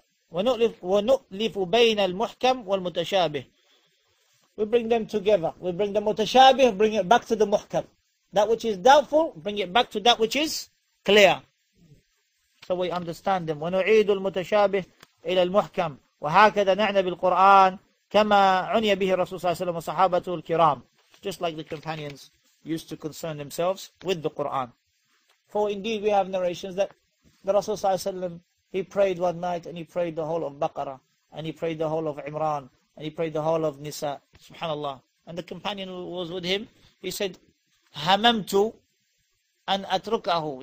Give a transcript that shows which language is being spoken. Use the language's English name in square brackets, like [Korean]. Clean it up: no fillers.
[Arabic] ونؤلف بين المحكم والمتشابه. [English] We bring them together. We bring the mutashabih, bring it back to the muhkam. That which is doubtful, bring it back to that which is clear. So we understand them. [Arabic] ونعيد المتشابه إلى المحكم. وهكذا نعنى بالقرآن كما عني به الرسول صلى الله عليه وسلم وصحابته الكرام. [English] Just like the companions used to concern themselves with the Quran. For indeed we have narrations that the Rasul [Arabic] صلى الله عليه وسلم, [English] he prayed one night and he prayed the whole of Baqarah and he prayed the whole of Imran and he prayed the whole of Nisa, subhanAllah. And the companion who was with him, he said, [Arabic] hamamtu an atrukahu.